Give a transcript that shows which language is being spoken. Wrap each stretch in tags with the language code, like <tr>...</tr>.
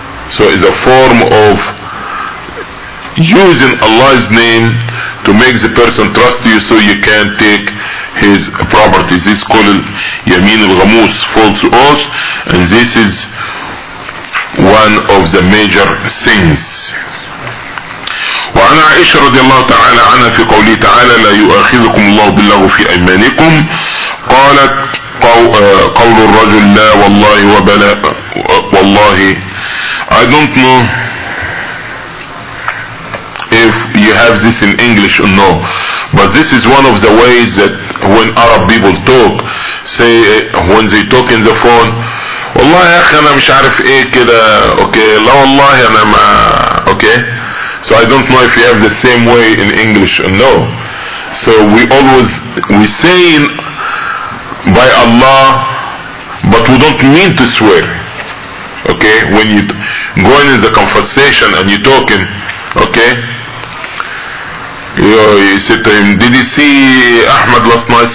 <en>So it's a form of using Allah's name to make the person trust you so you can take his property. This is called Yamin al-Ghamus, false oath. And this is one of the major sins.</en> <ar>وعن عائشة رضي الله تعالى عنها في قوله تعالى لا يؤاخذكم الله باللغو في أيمانكم قالت قول الرجل لا والله وبلا والله.</ar> <en>I don't know if you have this in English or no, but this is one of the ways that when Arab people talk, say when they talk in the phone,</en> <ar>والله يا اخي انا مش عارف ايه كده. اوكي لا والله انا ما اوكي.</ar> <en>So I don't know if you have the same way in English or no. So we saying by Allah, but we don't mean to swear. Okay, when you going in the conversation and you talking, okay, you said to him, did you see Ahmed last night?</en>